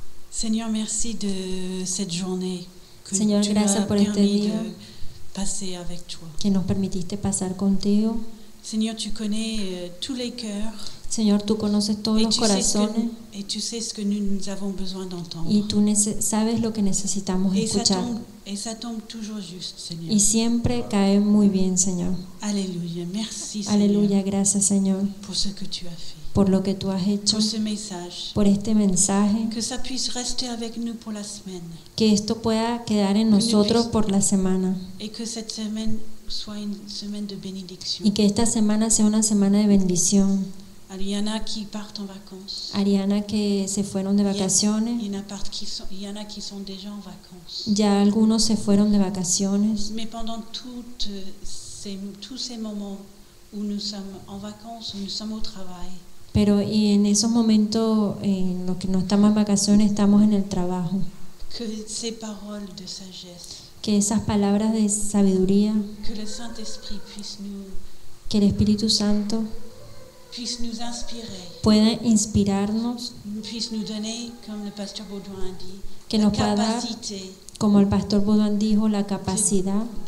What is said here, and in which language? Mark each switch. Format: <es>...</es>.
<fr>Seigneur, merci de cette journée que</fr> <es>Señor,</es> <fr>tu</fr> <es>gracias</es> <fr>m'as</fr> <es>por</es> <fr>permis</fr> <es>este día</es> <fr>de passer avec toi.</fr> <es>Que nos permitiste pasar contigo.</es> <fr>Seigneur, tu connais tous les cœurs.</fr> <es>Señor, tú conoces todos los corazones.</es> <fr>Et tu sais ce que nous avons besoin d'entendre.</fr> <es>Y tú sabes lo que necesitamos escuchar.</es> <fr>Et ça tombe toujours juste, Seigneur.</fr> <es>Y siempre cae muy bien, Señor.</es> <fr>Alléluia, merci.</fr> <es>Alléluia, gracias, Señor.</es> <fr>Pour ce que tu as fait.</fr> <es>Por lo que tú has hecho, por este mensaje,</es> <fr>que, ça puisse rester avec nous pour la semaine,</fr> <es>que esto pueda quedar en nosotros por la semana,</es> <fr>et que cette semaine soit une semaine de bénédiction.</fr> <es>Y que esta semana sea una semana de bendición.</es> <fr>Ariana, qui part en vacances.</fr> <es>Ariana, que se fueron de vacaciones.</es> <fr>Ariana, qui sont déjà en vacances.</fr> <es>Ya algunos se fueron de vacaciones.</es> <fr>Mais pendant tous ces moments où nous sommes en vacances, où nous sommes au travail.</fr> <es>Pero y en esos momentos, en los que no estamos en vacaciones, estamos en el trabajo.</es> <fr>Que ces paroles de sagesse.</fr> <es>Que esas palabras de sabiduría.</es> <fr>Que le Saint-Esprit puisse nous.</fr> <es>Que el Espíritu Santo</es> <fr>puisse nous inspirer.</fr> <es>Pueda inspirarnos.</es> <fr>Puisse nous donner, comme le pasteur Baudouin dit,</fr> <es>que nos pueda dar, como el pastor Baudouin dijo, la capacidad</es>